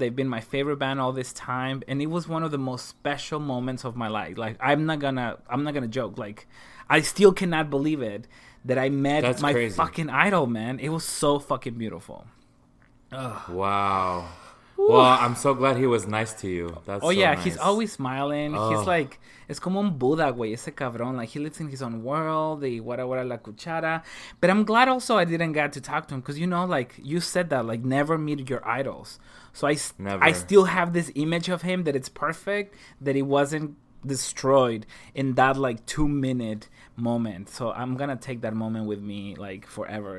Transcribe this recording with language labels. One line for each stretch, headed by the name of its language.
English: They've been my favorite band all this time, and it was one of the most special moments of my life. Like, I'm not gonna joke. Like, I still cannot believe it. That I met fucking idol, man. It was so fucking beautiful. Ugh. Wow. Well, I'm so glad he was nice to you. That's Nice. He's always smiling. Oh. He's like,
Spanish: es como un Buda, güey, ese cabrón.
English: Like, he lives in his own world,
Spanish: y guara guara la cuchara.
English: But I'm glad also I didn't get to talk to him, because, you know, like, you said that, like, never meet your idols. So I still have this image of him that it's perfect, that he wasn't destroyed in that, like, two-minute moment. So I'm going to take that moment with me, like, forever.